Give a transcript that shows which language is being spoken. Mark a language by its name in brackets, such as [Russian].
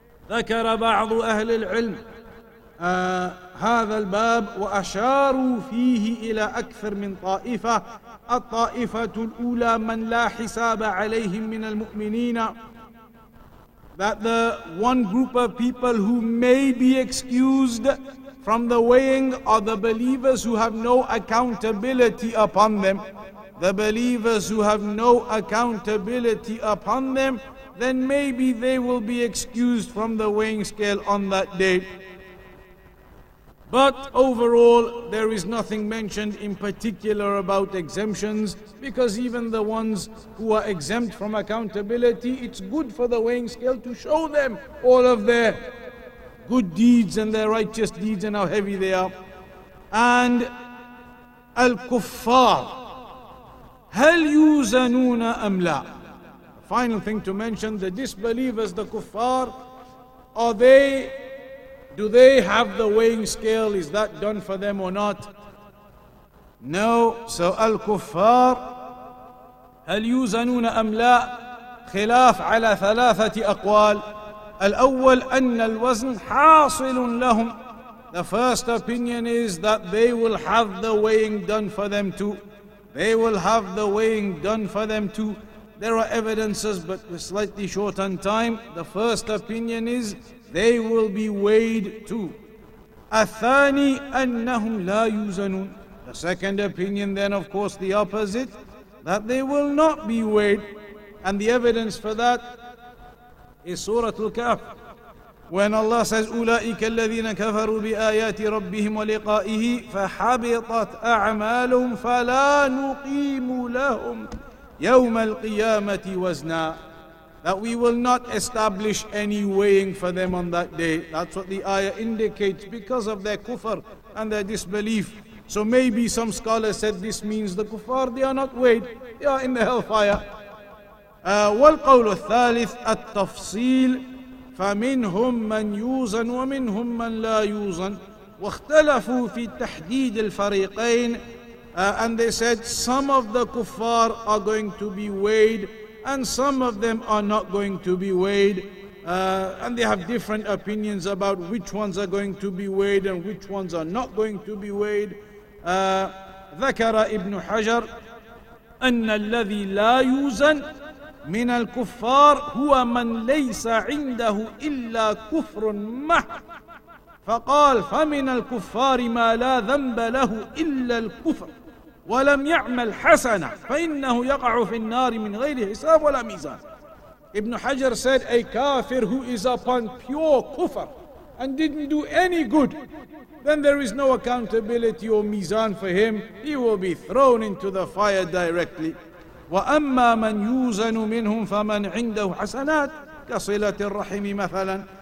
[Arabic] ذكر بعض أهل العلم هذا الباب وأشاروا فيه إلى أكثر من طائفة. الطائفة الأولى من لا حساب عليهم من المؤمنين. [English] That the one group of people who may be excused from the weighing are the believers who have no accountability upon them. The believers who have no accountability upon them, then maybe they will be excused from the weighing scale on that day. But overall, there is nothing mentioned in particular about exemptions, because even the ones who are exempt from accountability, it's good for the weighing scale to show them all of their good deeds and their righteous deeds and how heavy they are. And Al-Kuffar, [Arabic] هل يوزنون أم لا? [English] Final thing to mention, the disbelievers, the Kuffar, are they... Do they have the weighing scale? Is that done for them or not? No. So Al-Kuffar, [Arabic] هل يوزنون أم لا? خلاف على ثلاثة أقوال. الأول أن الوزن حاصل لهم. [English] The first opinion is that they will have the weighing done for them too. They will have the weighing done for them too. There are evidences, but we're slightly short on time. The first opinion is they will be weighed too. [Arabic] الثاني أنهم لا يوزنون. [English] The second opinion then, of course, the opposite, that they will not be weighed. And the evidence for that is Surah Al-Kahf, when Allah says, [Arabic] أولئك الذين كفروا بآيات ربهم ولقائه فحبطت أعمالهم فلا نقيم لهم يوم القيامة وزنا. [English] That we will not establish any weighing for them on that day. That's what the ayah indicates, because of their kufr and their disbelief. So maybe some scholars said this means the kufr, they are not weighed. They are in the hellfire. [Arabic] والقول الثالث التفصيل فمنهم من يوزن ومنهم من لا يوزن واختلفوا في تحديد الفريقين. [English] And they said some of the kuffar are going to be weighed and some of them are not going to be weighed. And they have different opinions about which ones are going to be weighed and which ones are not going to be weighed. [Arabic] ذكر ابن حجر أن الذي لا يوزن من الكفار هو من ليس عنده إلا كفر محض. فقال: فمن الكفار ما لا ذنب له إلا الكفر ولم يعمل حسنة فإنه يقع في النار من غير حساب ولا ميزان. [English] Ibn Hajar said, a kafir who is upon pure kufr and didn't do any good, then there is no accountability or mizan for him. He will be thrown into the fire directly. [Arabic] وَأَمَّا مَنْ يُوزَنُ مِنْهُمْ فَمَنْ عِنْدَهُ حَسَنَاتٍ كَصِلَةِ الرَّحِمِ مَثَلًا.